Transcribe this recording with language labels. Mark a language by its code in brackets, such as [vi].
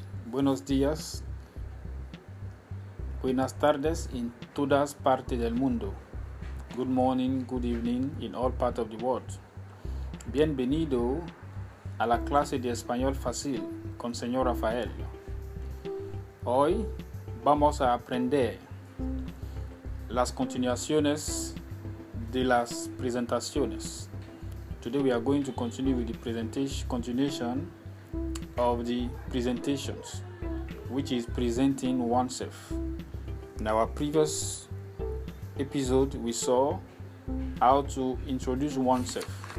[es] Buenos días. Buenas tardes en todas partes del mundo. [en] Good morning, good evening in all parts of the world. [es] Bienvenido a la clase de español fácil con señor Rafael. Hoy vamos a aprender las continuaciones de las presentaciones. [en] Today we are going to continue with the continuation of the presentations, which is presenting oneself. In our previous episode, we saw how to introduce oneself.